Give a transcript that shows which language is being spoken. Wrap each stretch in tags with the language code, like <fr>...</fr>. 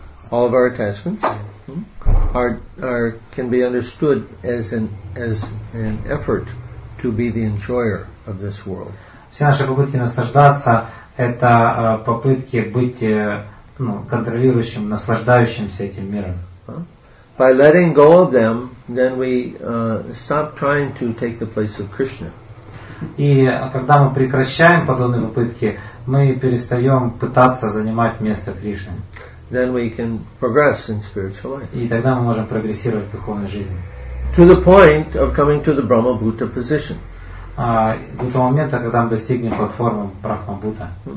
<en>All of our attachments are can be understood as an effort to be the enjoyer of this world.</en> <ru>Все наши попытки наслаждаться — это попытки быть контролирующим, наслаждающимся этим миром.</ru> <en>By letting go of them, then we stop trying to take the place of Krishna.</en> <ru>И когда мы прекращаем подобные попытки, мы перестаем пытаться занимать место Кришны.</ru> <en>Then we can progress in spiritual life.</en> <ru>И тогда мы можем прогрессировать в духовной жизни.</ru> <en>To the point of coming to the Brahma Buddha position.</en> <ru>До того момента, когда мы достигнем платформы Брахма Будда.</ru>